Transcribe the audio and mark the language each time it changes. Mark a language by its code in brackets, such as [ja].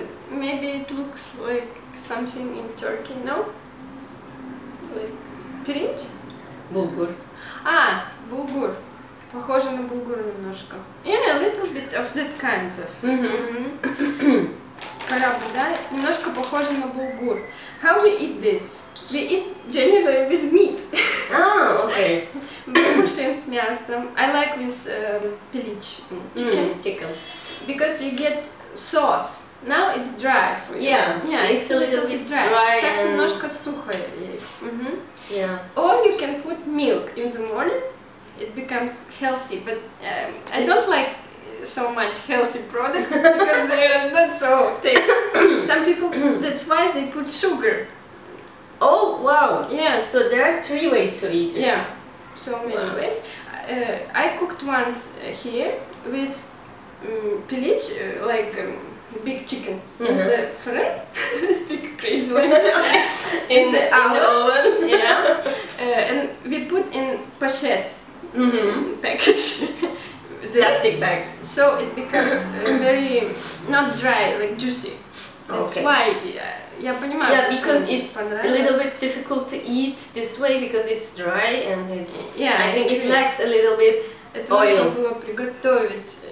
[en] Maybe it looks like something in Turkey, no? Like pirinç? Bulgur. Bulgur. [ru] Похоже на булгур немножко. [en] Yeah, a little bit of that kind of. [ru] Корабль, да? Немножко похоже на булгур. [en] How we eat this? We eat generally with meat. Okay. [ru] Мы кушаем с мясом. [en] I like with pilich. Chicken. Chicken. Because we get sauce. Now it's dry for you. Yeah, it's a little bit dry. [ru] Так немножко сухое есть. [en] Yeah. Or you can put milk in the morning. It becomes healthy. But I don't like so much healthy products because they are not so tasty. Some people, that's why they put sugar. Oh, wow. Yeah, so there are three ways to eat it. Yeah, so many ways. I cooked once here with pilich, big chicken. Mm-hmm. In the fryer. I speak crazy language. in the oven. Yeah. And we put in pochette. Package. Plastic bags. So it becomes very not dry, like juicy. That's okay. Why. [ru] Я понимаю, [en] yeah, because it's a little bit difficult to eat this way because it's dry and it's. Yeah, I think it lacks a little bit. [ru] Это можно было приготовить.